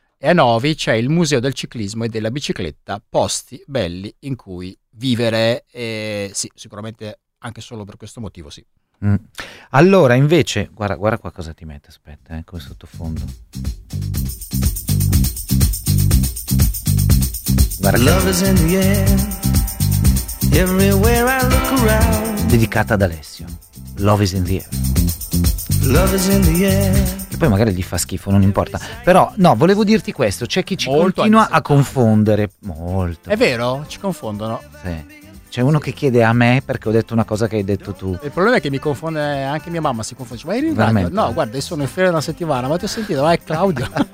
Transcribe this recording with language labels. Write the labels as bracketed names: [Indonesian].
[Italian] E a Novi c'è il Museo del Ciclismo e della Bicicletta, posti belli in cui vivere, e sì, sicuramente anche solo per questo motivo, sì. Allora, invece, guarda qua cosa ti mette, aspetta, come sottofondo. [English] Love is in the air, everywhere I look around. [Italian] Dedicata ad Alessio, [English] Love is in the air. Love is in the air. [Italian] Poi magari gli fa schifo, non importa. Però no, volevo dirti questo: c'è chi ci molto continua a confondere molto. È vero? Ci confondono. Sì. C'è uno che chiede a me perché ho detto una cosa che hai detto tu. Il problema è che mi confonde anche mia mamma, si confonde. Ma in realtà, no, guarda, io sono in ferie una settimana, ma ti ho sentito, vai Claudio.